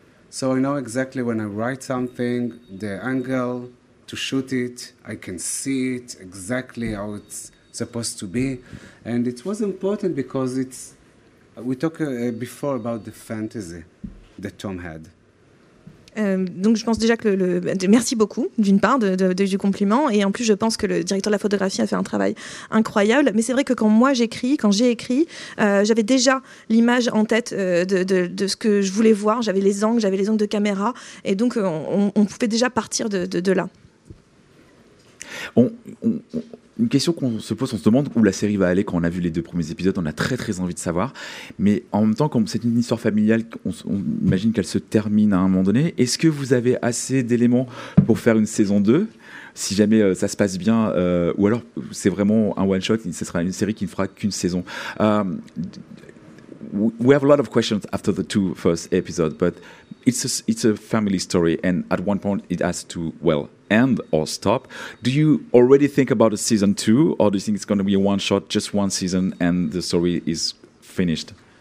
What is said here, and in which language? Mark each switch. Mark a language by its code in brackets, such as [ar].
[en] So I know exactly when I write something, the angle to shoot it, I can see it exactly how it's supposed to be. And it was important because it's, we talked before about the fantasy that Tom had. [fr] Donc je pense déjà que merci beaucoup d'une part du compliment, et en plus je pense que le directeur de la photographie a fait un travail incroyable. Mais c'est vrai que quand j'ai écrit, j'avais déjà l'image en tête de ce que je voulais voir. J'avais les angles de caméra, et donc on pouvait déjà partir de là. Une question qu'on se pose, on se demande où la série va aller. Quand on a vu les deux premiers épisodes, on a très très envie de savoir. Mais en même temps, comme c'est une histoire familiale, on imagine qu'elle se termine à un moment donné. Est-ce que vous avez assez d'éléments pour faire une saison 2, si jamais ça se passe bien, ou alors c'est vraiment un one shot, ce sera une série qui ne fera qu'une saison? [en] We have a lot of questions after the two first episodes, but it's a family story, and at one point it has to, well, end or stop. Do you already think about a season 2, or do you think it's going to be a one shot, just one season, and the story is finished?